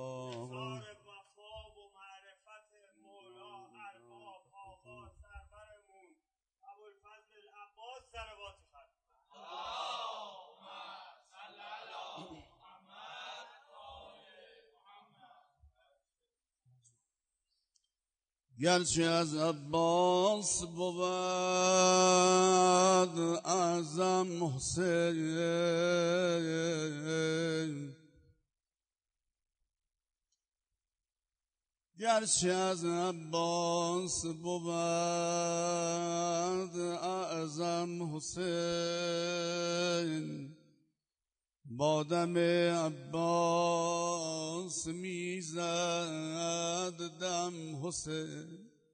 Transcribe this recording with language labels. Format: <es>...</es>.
<fa>آقا وفا و معرفت مولا ارباب آقا سرورمون ابوالفضل عباس صلوات خدا</fa> <ar>اللهم صل على محمد آل محمد.</ar> <fa>گرچه از عباس بود اعظم حسین، گرچه از عباس بود اعظم حسین، با دم عباس میزد دم حسین،</fa>